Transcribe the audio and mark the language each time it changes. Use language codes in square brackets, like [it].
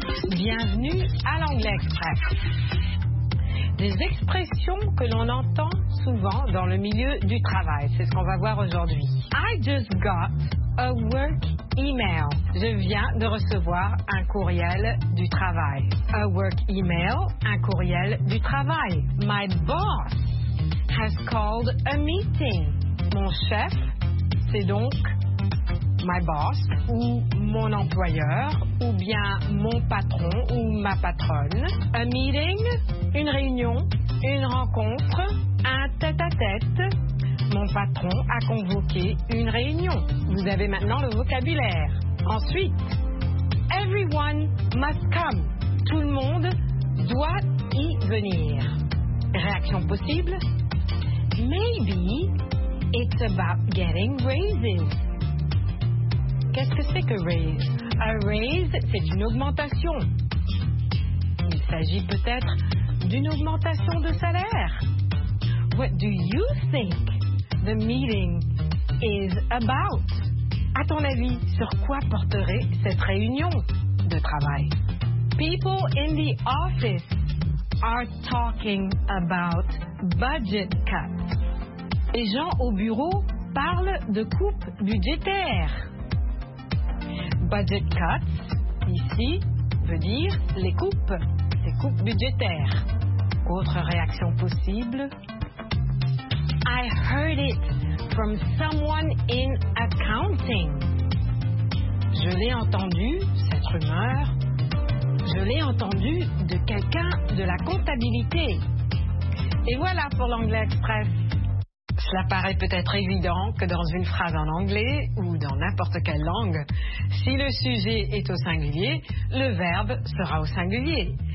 [fr] bienvenue à l'Anglais Express. Des expressions que l'on entend souvent dans le milieu du travail, c'est ce qu'on va voir aujourd'hui. [en] I just got a work email. [fr] Je viens de recevoir un courriel du travail. [en] A work email, [fr] un courriel du travail. [en] My boss has called a meeting. [fr] Mon chef, c'est donc [en] my boss [fr] ou mon employeur ou bien mon patron ou ma patronne. [en] A meeting, [fr] une réunion, une rencontre, un tête-à-tête. Mon patron a convoqué une réunion. Vous avez maintenant le vocabulaire. [en] Ensuite, everyone must come. [fr] Tout le monde doit y venir. Réaction possible? [en] Maybe it's about getting raises. [fr] Qu'est-ce que c'est que raise? A raise, c'est une augmentation. Il s'agit peut-être d'une augmentation de salaire. [en] What do you think the meeting is about? [fr] À ton avis, sur quoi porterait cette réunion de travail? [en] People in the office are talking about budget cuts. [fr] Les gens au bureau parlent de coupes budgétaires. [en] Budget cuts, [fr] ici, veut dire les coupes budgétaires. Autre réaction possible? [en] I heard it from someone in accounting. [fr] Je l'ai entendu, cette rumeur, je l'ai entendu de quelqu'un de la comptabilité. Et voilà pour l'Anglais Express. Cela paraît peut-être évident que dans une phrase en anglais ou dans n'importe quelle langue, si le sujet est au singulier, le verbe sera au singulier.